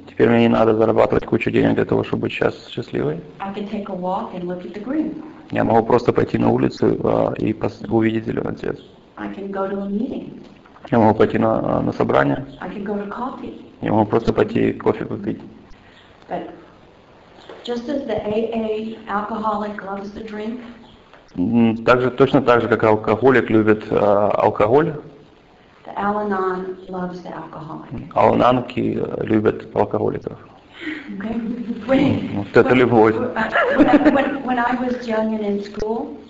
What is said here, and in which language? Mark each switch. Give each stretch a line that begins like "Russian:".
Russian: Теперь мне не надо зарабатывать кучу денег для того, чтобы быть сейчас счастливой.
English: I can take a walk and look at the green.
Russian: Я могу просто пойти на улицу и увидеть зеленый цвет.
English: I can go to a meeting.
Russian: Я могу пойти на собрание.
English: I can go to coffee.
Russian: Я могу просто пойти кофе выпить.
English: But just as the AA alcoholic loves the drink.
Russian: Также точно так же, как алкоголик любит алкоголь.
English: The Al-Anon loves the alcoholic.
Russian: Al-Anonки любят алкоголиков.
English: Okay.
Russian: Это любовь.
English: When I was young and in school.